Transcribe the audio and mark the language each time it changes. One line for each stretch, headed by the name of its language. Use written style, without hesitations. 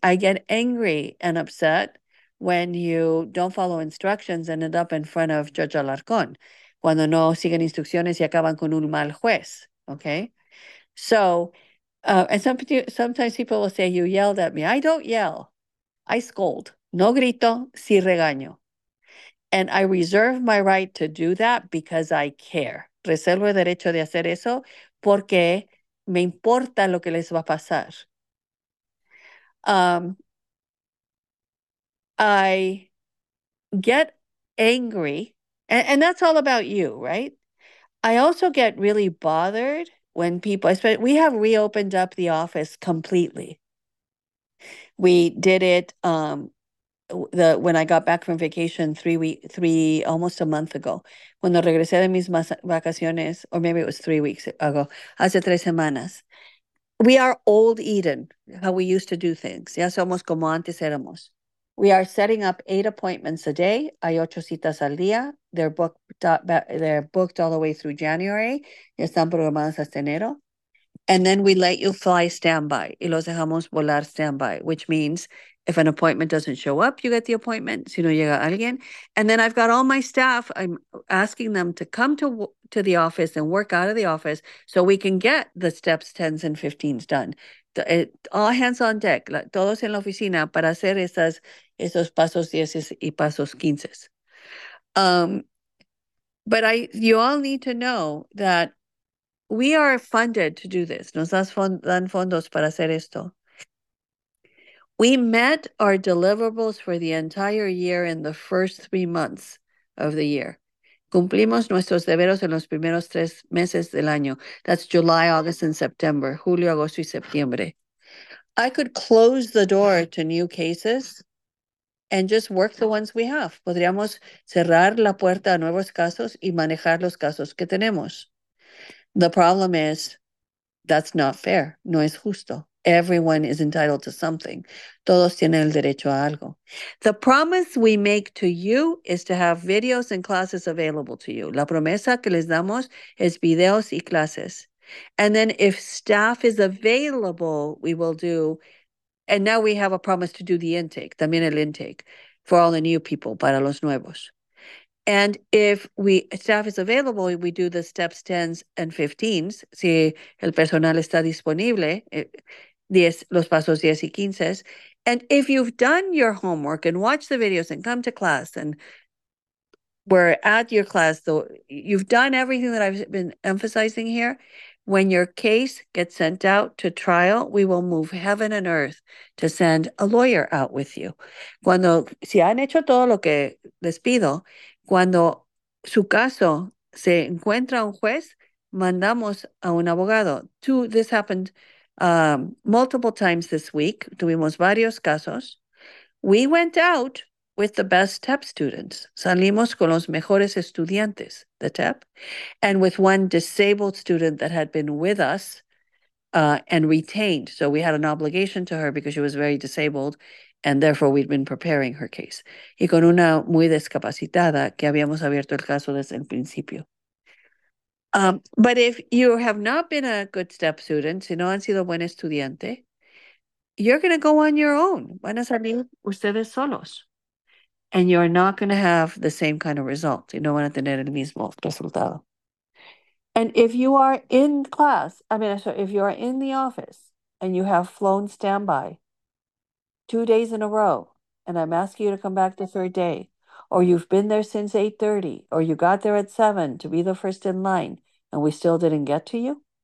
English: I get angry and upset when you don't follow instructions and end up in front of Judge Alarcón,
Spanish: cuando no siguen instrucciones y acaban con un mal juez.
English: Okay. So, and sometimes people will say, you yelled at me. I don't yell. I scold.
Spanish: No grito, si regaño.
English: And I reserve my right to do that because I care. Reservo el derecho de hacer eso porque me importa lo que les va a pasar. I get angry, and that's all about you, right? I also get really bothered when people, especially, we have reopened up the office completely. We did it the when I got back from vacation 3 weeks, three almost a month ago.
Spanish: Cuando regresé de mis vacaciones,
English: or maybe it was 3 weeks ago,
Spanish: hace 3 semanas.
English: We are old Eden, how we used to do things.
Spanish: Ya somos como antes éramos.
English: We are setting up 8 appointments a day.
Spanish: Hay 8 citas al día.
English: They're booked all the way through January.
Spanish: Ya están programadas hasta enero.
English: And then we let you fly standby.
Spanish: Y los dejamos volar standby,
English: which means if an appointment doesn't show up, you get the appointment.
Spanish: Si no llega alguien.
English: And then I've got all my staff. I'm asking them to come to the office and work out of the office so we can get the steps 10s and 15s done. All hands on deck,
Spanish: todos en la oficina para hacer esos pasos 10 y pasos 15.
English: But you all need to know that we are funded to do this.
Spanish: Nos dan fondos para hacer esto.
English: We met our deliverables for the entire year in the first 3 months of the year.
Spanish: Cumplimos nuestros deberes en los primeros 3 meses del año.
English: That's July, August, and September.
Spanish: Julio, agosto, y septiembre.
English: I could close the door to new cases and just work the ones we have.
Spanish: Podríamos cerrar la puerta a nuevos casos y manejar los casos que tenemos.
English: The problem is, that's not fair.
Spanish: No es justo.
English: Everyone is entitled to something.
Spanish: Todos tienen el derecho a algo.
English: The promise we make to you is to have videos and classes available to you.
Spanish: La promesa que les damos es videos y clases.
English: And then if staff is available, we will do, and now we have a promise to do the intake,
Spanish: también el intake,
English: for all the new people,
Spanish: para los nuevos.
English: And if we staff is available, we do the steps 10s and 15s.
Spanish: Si el personal está disponible, los pasos 10 y 15.
English: And if you've done your homework and watched the videos and come to class and were at your class, you've done everything that I've been emphasizing here. When your case gets sent out to trial, we will move heaven and earth to send a lawyer out with you.
Spanish: Cuando, si han hecho todo lo que les pido, cuando su caso se encuentra un juez, mandamos a un abogado.
English: This happened multiple times this week.
Spanish: Tuvimos varios casos.
English: We went out with the best TEP students.
Spanish: Salimos con los mejores estudiantes de TEP,
English: and with one disabled student that had been with us and retained. So we had an obligation to her because she was very disabled And therefore, we'd been preparing her case.
Spanish: Y con una muy discapacitada que habíamos abierto el caso desde el principio.
English: But if you have not been a good step student,
Spanish: si no han sido buen estudiante,
English: you're going to go on your own.
Spanish: Van a salir ustedes solos.
English: And you're not going to have the same kind of result.
Spanish: Y no van a tener el mismo resultado.
English: And if you are in class, I mean, sorry, if you are in the office and you have flown standby 2 days in a row, and I'm asking you to come back the third day, or you've been there since 8:30, or you got there at 7 to be the first in line, and we still didn't get to you.